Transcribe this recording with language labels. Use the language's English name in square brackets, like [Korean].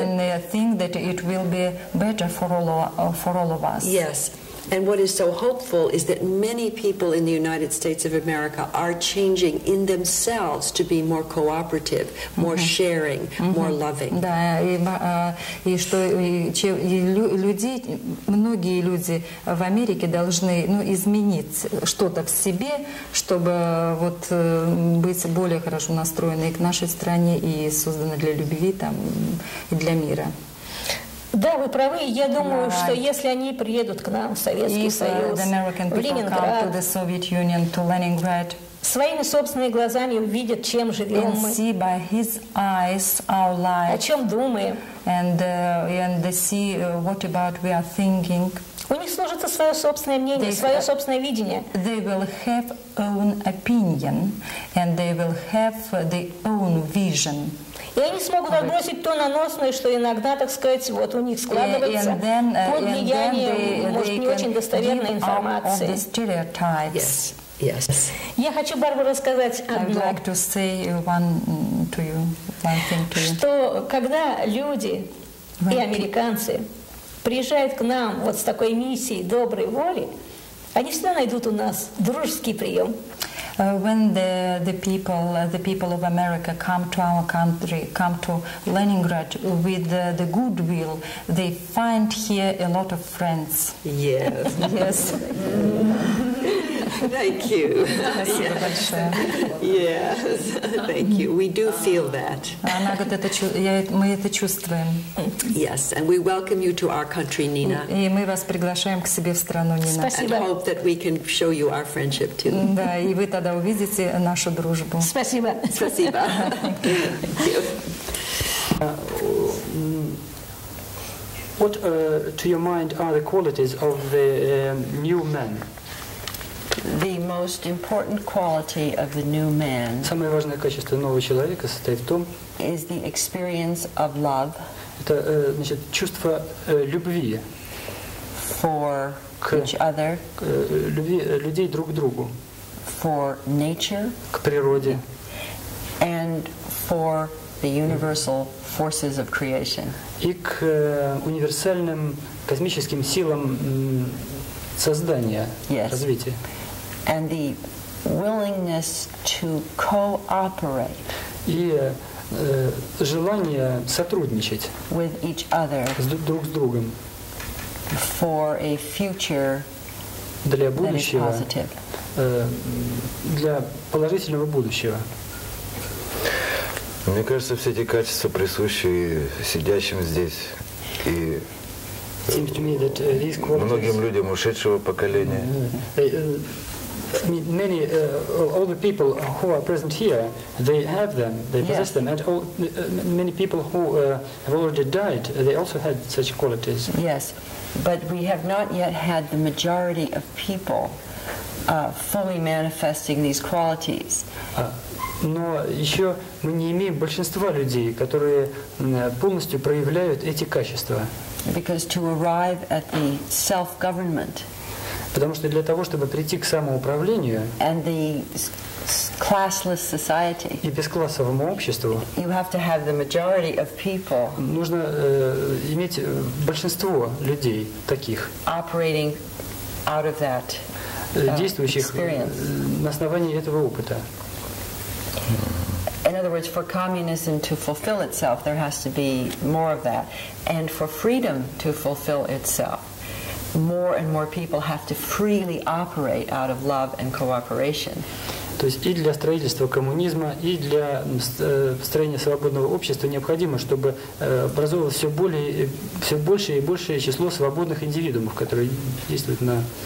[English] And think that it will be better for all of us. Yes. And what is so hopeful is that many people in the United States of America are changing in themselves to be more cooperative, more mm-hmm. sharing, mm-hmm. more loving. [Russian] Да, и что люди, многие люди в Америке должны, ну, изменить что-то в себе, чтобы вот быть более хорошо настроенной к нашей стране и созданной для любви там и для мира. Да, вы правы. Я думаю, [English] right. [Russian] что если они приедут к нам в Советский [English] If, [Russian] Союз, [English] American people [Russian] Ленинград, [English] come to the Soviet Union, to Leningrad, [Russian] своими собственными глазами увидят, чем живем мы, [English] see by his eyes our life, [Russian] о чем думаем, [English] and see what about we are thinking. [Russian] У них сложится свое собственное мнение, свое собственное видение. [English] They will have own opinion, and they will have their own vision. [Russian] И они смогут отбросить то наносное, что иногда, так сказать, вот у них складывается под влиянием, может, не очень достоверной информации. [English] Yes. Yes. [Russian] Я хочу, Барбара, сказать одно. [English] I would like to say one thing to you. [Russian] Что когда люди и американцы приезжают к нам вот с такой миссией доброй воли, они всегда найдут у нас дружеский прием. [English] When the people of America come to our country, come to Leningrad with the goodwill, they find here a lot of friends. Yes. Yes. Thank you. Yes. Yes. Thank you. We do feel that. [Russian] Она говорит, это мы это чувствуем. [English] Yes, and we welcome you to our country, Nina. [Russian] И мы вас приглашаем к себе в страну, Нина. Спасибо. [English] And hope that we can show you our friendship too. [Russian] Да, и вы тогда увидите нашу дружбу. Спасибо. Спасибо. [English] What to your mind are the qualities of the new man? The most important quality of the new man [Russian] Самое важное качество нового человека состоит в том, [English] is the experience of love. [Russian] Это значит чувство любви [English] for [Russian] к, [English] each other. [Russian] Любви людей друг к другу. [English] For nature. [Russian] К природе. [English] And for the universal forces of creation. [Russian] И к универсальным космическим силам создания, [English] yes. [Russian] развития. [English] And the willingness to cooperate. [Russian] И желание сотрудничать. [English] With each other. [Russian] Друг с другом. [English] For a future. [Russian] Для будущего. Для положительного будущего. Мне кажется, все эти качества присущи сидящим здесь и [English] Seems to me that these qualities... [Russian] многим людям ушедшего поколения. [English] Many all the people who are present here, they have them, they possess them, and all many people who have already died, they also had such qualities. Yes, but we have not yet had the majority of people fully manifesting these qualities. [Russian] Но еще мы не имеем большинства людей, которые полностью проявляют эти качества. [English] Because to arrive at the self-government. [Russian] Потому что для того, чтобы прийти к самоуправлению [English] and the classless society, [Russian] и бесклассовому обществу, [English] you have to have the majority of people [Russian] нужно иметь большинство людей таких, [English] operating out of that, [Russian] действующих [English] experience. [Russian] На основании этого опыта. [English] In other words, for communism to fulfill itself, there has to be more of that. And for freedom to fulfill itself, more and more people have to freely operate out of love and cooperation. [Russian] То есть и для строительства коммунизма, и для строения свободного общества необходимо, чтобы образовывалось все большее и большее число свободных индивидуумов, которые действуют на...